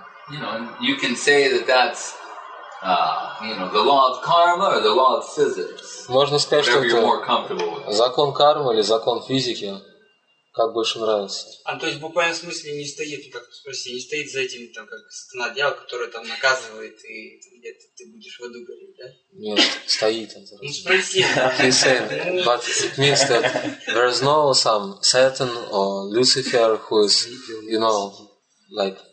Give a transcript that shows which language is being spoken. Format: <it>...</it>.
<en>You know, and you can say that that's, the law of karma or the law of physics.</en> <ru>Можно сказать,</ru> <en>whatever</en> <ru>что</ru> <en>you're more comfortable with.</en> <ru>Закон кармы или закон физики, как больше нравится. А то есть в буквальном смысле не стоит, как спроси, не стоит за этим там как стена дьявол, который там наказывает и где-то ты будешь в аду гореть, да? Нет, стоит он. Ну спроси.</ru> <en>He said, but it means that there is no some Satan or Lucifer who is, you know, like.</en>